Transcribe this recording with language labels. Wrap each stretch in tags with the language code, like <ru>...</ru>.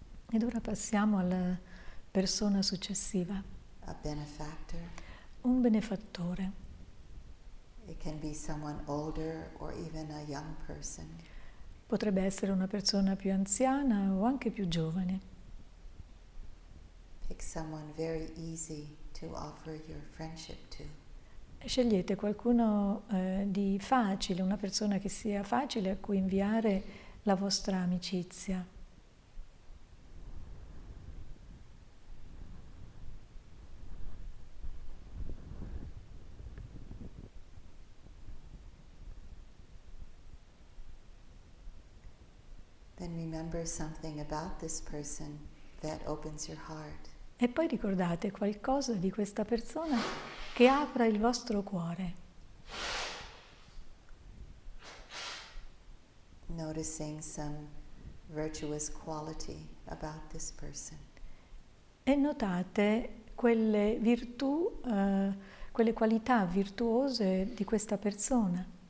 <it>Ed ora passiamo alla persona successiva.</it> <en>A benefactor.</en> <it>Un benefattore.</it> <en>It can be someone older or even a young person.</en> <it>Potrebbe essere una persona più anziana o anche più giovane.</it> <en>Pick someone very easy to offer your friendship to.</en> <it>Scegliete qualcuno di facile, una persona che sia facile a cui inviare la vostra amicizia.</it> <en>remember something about this person that opens your heart.</en> <it>E poi ricordate qualcosa di questa persona che apra il vostro cuore.</it> <en>Noticing some virtuous quality about this person.</en> <it>E notate quelle virtù, quelle qualità virtuose di questa persona.</it>